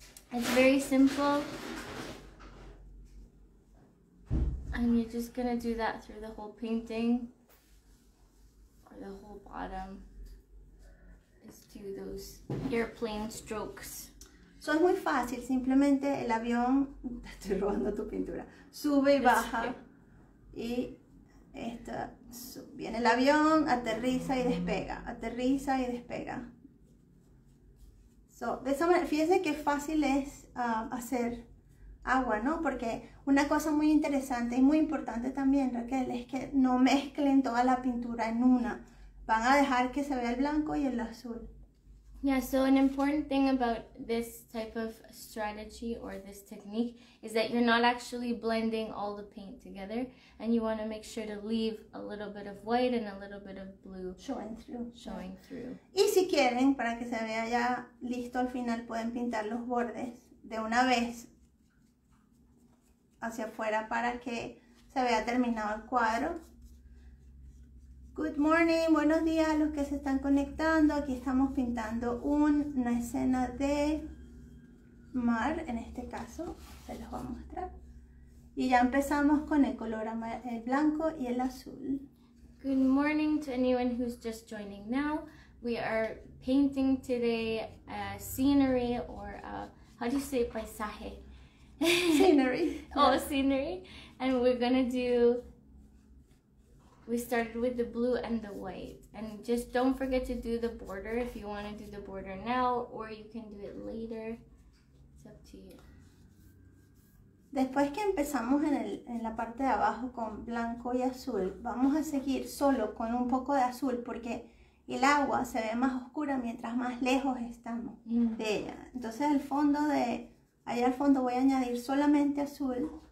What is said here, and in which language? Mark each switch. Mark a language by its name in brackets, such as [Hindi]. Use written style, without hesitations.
[English] It's very simple, and you're just going to do that through the whole painting, or the whole bottom. Let's do those airplane strokes. [Spanish] So es muy fácil, simplemente el avión, te estoy robando tu pintura, sube y baja. Y esta, viene el avión, aterriza y despega, aterriza y despega. So, de esa manera, fíjense qué fácil es hacer agua, ¿no? Porque una cosa muy interesante y muy importante también, Raquel, es que no mezclen toda la pintura en una. Van a dejar que se vea el blanco y el azul. [English] Yeah, so an important thing about this type of strategy or this technique is that you're not actually blending all the paint together, and you want to make sure to leave a little bit of white and a little bit of blue showing through. [Spanish] Y si quieren, para que se vea ya listo al final, pueden pintar los bordes de una vez hacia afuera para que se vea terminado el cuadro. [English] Good morning, [Spanish] buenos días a los que se están conectando. Aquí estamos pintando una escena de mar, en este caso, se los voy a mostrar. Y ya empezamos con el color el blanco y el azul. [English] Good morning to anyone who's just joining now. We are painting today a scenery or a, how do you say, paisaje? Scenery. Oh, scenery. And we're gonna do... We started with the blue and the white. And just don't forget to do the border if you want to do the border now, or you can do it later. It's up to you. [Spanish] Después que empezamos en la parte de abajo con blanco y azul, vamos a seguir solo con un poco de azul porque el agua se ve más oscura mientras más lejos estamos de ella. Entonces el fondo de allá al fondo voy a añadir solamente azul.